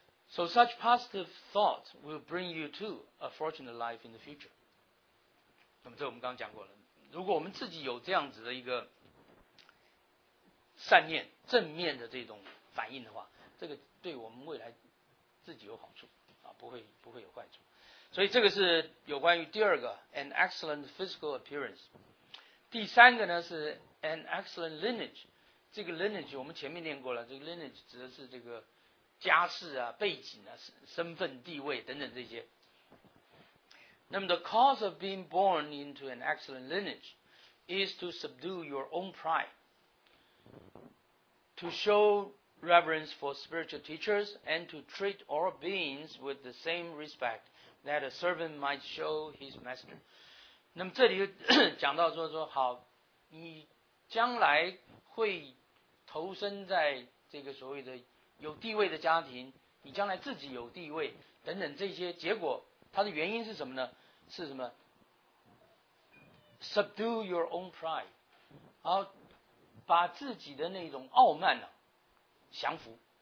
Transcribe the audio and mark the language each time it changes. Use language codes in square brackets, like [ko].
[en] So such positive thoughts will bring you to a fortunate life in the future。 [zh] 那么这我们刚刚讲过了，如果我们自己有这样子的一个善念、正面的这种反应的话，这个对我们未来自己有好处啊，不会有坏处。所以这个是有关于第二个 [en] an excellent physical appearance， [zh] 第三个呢是 [en] an excellent lineage， [zh] 这个 lineage 我们前面念过了，这个 lineage 指的是这个家世啊、背景啊、身份地位等等这些。 [en] 那么 the cause of being born into an excellent lineage is to subdue your own pride， to showreverence for spiritual teachers and to treat all beings with the same respect that a servant might show his master。 [zh] 那么这里讲到说好，你将来会投身在这个所谓的有地位的家庭，你将来自己有地位等等这些结果，它的原因是什么呢？是什么？ [en] subdue your own pride， [zh] 好，把自己的那种傲慢呢、啊降服，